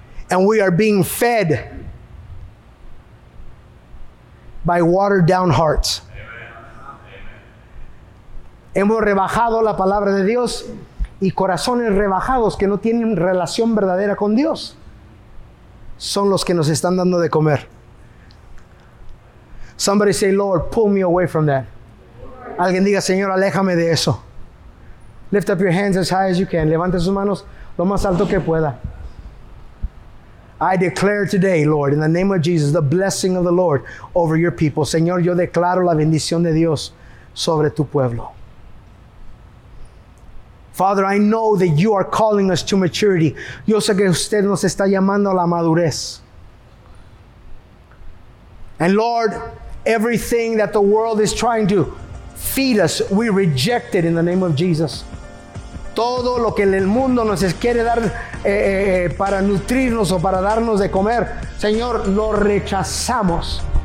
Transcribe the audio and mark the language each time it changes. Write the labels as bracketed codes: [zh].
[en] And we are being fed by watered down hearts. [es] Hemos rebajado la palabra de Dios y corazones rebajados que no tienen relación verdadera con Dios son los que nos están dando de comer. [en] Somebody say, Lord, pull me away from that. [es] Alguien diga, Señor, aléjame de eso. [en] Lift up your hands as high as you can. [es] Levante sus manos lo más alto que pueda. [en] I declare today, Lord, in the name of Jesus, the blessing of the Lord over your people. [es] Señor, yo declaro la bendición de Dios sobre tu pueblo. [en] Father, I know that you are calling us to maturity. [es] Yo sé que usted nos está llamando a la madurez. [en] And Lord, everything that the world is trying to feed us, we reject it in the name of Jesus. [es] Todo lo que el mundo nos quiere dar para nutrirnos o para darnos de comer, Señor, lo rechazamos.